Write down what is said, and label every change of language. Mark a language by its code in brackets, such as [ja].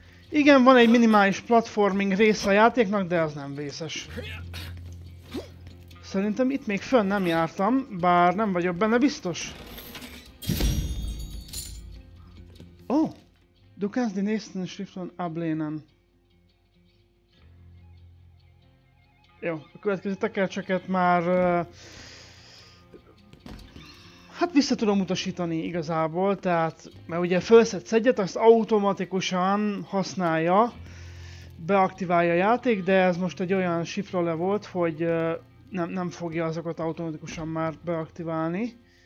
[hu] Igen, van egy minimális platforming része a játéknak, de az nem vészes. Szerintem itt még fönn nem jártam, bár nem vagyok benne biztos. Oh! [de] Du kannst die nächsten Schriften ablehnen. [hu] Jó, a következő tekercseket már... hát vissza tudom utasítani igazából, tehát... Mert ugye felszedsz egyet, azt automatikusan használja, beaktiválja a játék, de ez most egy olyan sifra le volt, hogy nem fogja azokat automatikusan már beaktiválni.